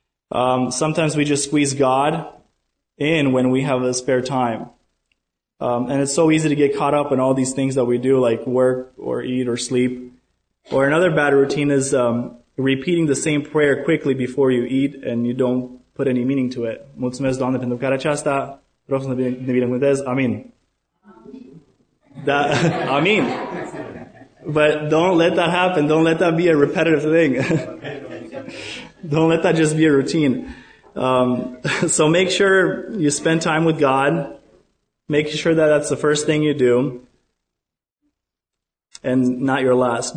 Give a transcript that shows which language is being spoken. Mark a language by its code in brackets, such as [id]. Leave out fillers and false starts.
[en] Sometimes we just squeeze God in when we have a spare time. And it's so easy to get caught up in all these things that we do, like work or eat or sleep. Or another bad routine is repeating the same prayer quickly before you eat and you don't put any meaning to it. [ro] Mulțumesc, Doamne, pentru care aceasta, rog să ne binecuvânteze. [en] Amin. That, amin. But don't let that happen. Don't let that be a repetitive thing. Don't let that just be a routine. So make sure you spend time with God. Make sure that that's the first thing you do and not your last.